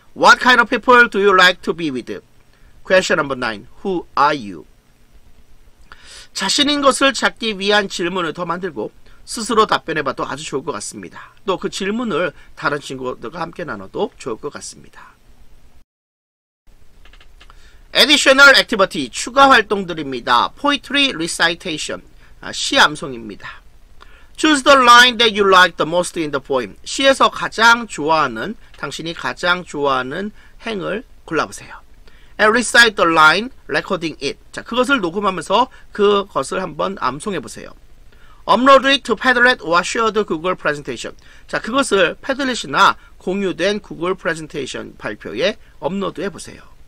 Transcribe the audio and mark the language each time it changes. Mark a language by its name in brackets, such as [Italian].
[English] What kind of people do you like to be with? Question number 9. Who are you? [Korean] 자신인 것을 찾기 위한 질문을 더 만들고 스스로 답변해봐도 아주 좋을 것 같습니다. 또 그 질문을 다른 친구들과 함께 나눠도 좋을 것 같습니다. [English] Additional activity, [Korean] 추가 활동들입니다. [English] Poetry recitation, [Korean] 시 암송입니다. [English] Choose the line that you like the most in the poem. [Korean] 시에서 가장 좋아하는, 당신이 가장 좋아하는 행을 골라보세요. [English] And recite the line, recording it. [Korean] 자, 그것을 녹음하면서 그것을 한번 암송해보세요. 업로드 [English] it to Padlet or shared Google presentation. [Korean] 자, 그것을 Padlet이나 공유된 Google presentation 발표에 업로드 해보세요.